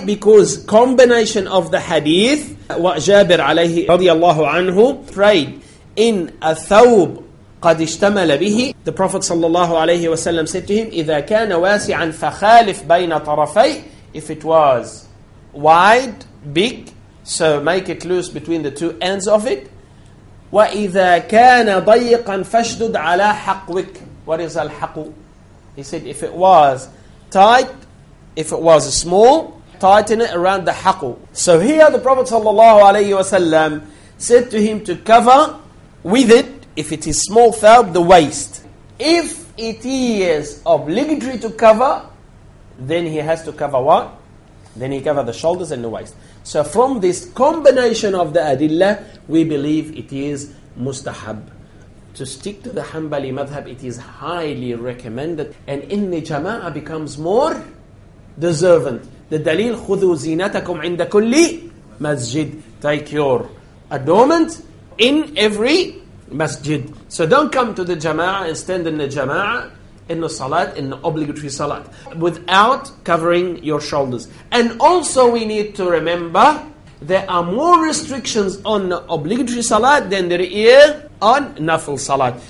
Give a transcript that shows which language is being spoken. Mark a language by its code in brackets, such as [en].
[en] Because combination of the hadith, what Jabir alayhi radiallahu anhu prayed in a thawb [ar] قد اشتمل به. [en] The Prophet sallallahu alayhi wa sallam said to him, [ar] إذا كان واسعا فخالف بين طرفي. [en] If it was wide, big, so make it loose between the two ends of it. [ar] وإذا كان ضيقا فاشدد على حقوك. [en] What is الحقو? He said, if it was tight, if it was small, tighten it around the حقو. So here the Prophet sallallahu alayhi wa sallam said to him to cover with it, if it is small thawb, the waist. If it is obligatory to cover, then he has to cover what? Then he cover the shoulders and the waist. So from this combination of the adilla, we believe it is mustahab. To stick to the Hanbali madhab, it is highly recommended. And in the jama'ah becomes more deservant. The dalil, [ar] خُذُوا زِينَتَكُمْ عِنْدَ كُلِّ masjid. [en] Take your adornment in every masjid. So don't come to the jama'ah and stand in the jama'ah, in the salat, in the obligatory salat, without covering your shoulders. And also we need to remember, there are more restrictions on the obligatory salat than there is on nafil salat.